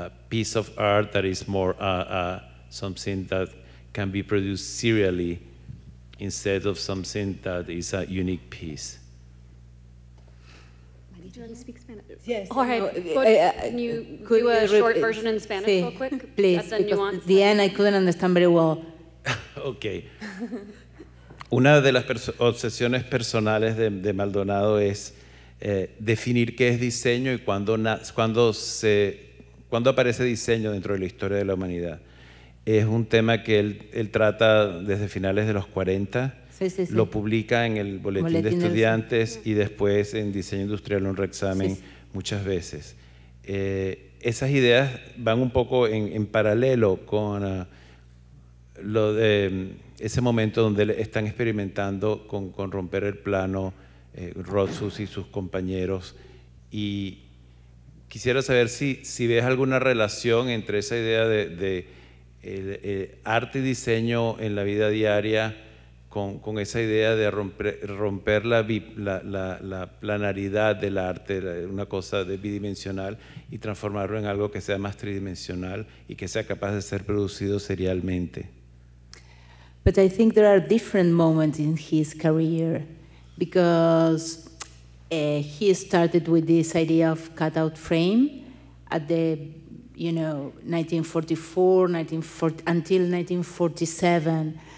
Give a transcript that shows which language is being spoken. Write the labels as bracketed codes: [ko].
[en] piece of art that is more something that can be produced serially instead of something that is a unique piece. Do you want to speak Spanish? Yes. All right, could you do a short version in Spanish, [es] si, [en] real quick? Please, that's a nuance. The end, I couldn't understand very well. Okay. [es] Una de las obsesiones personales de Maldonado es definir qué es diseño y cuándo aparece diseño dentro de la historia de la humanidad. Es un tema que él trata desde finales de los 40. Sí. Lo publica en el Boletín de Estudiantes y después en Diseño Industrial un reexamen, sí, sí, muchas veces. Esas ideas van un poco en paralelo con lo de ese momento donde están experimentando con romper el plano, Rotsus y sus compañeros. Y quisiera saber si ves alguna relación entre esa idea de arte y diseño en la vida diaria con esa idea de romper la planaridad del arte, una cosa de bidimensional, y transformarlo en algo que sea más tridimensional y que sea capaz de ser producido serialmente. [en] But I think there are different moments in his career, because he started with this idea of cutout frame at the, you know, 1944 until 1947.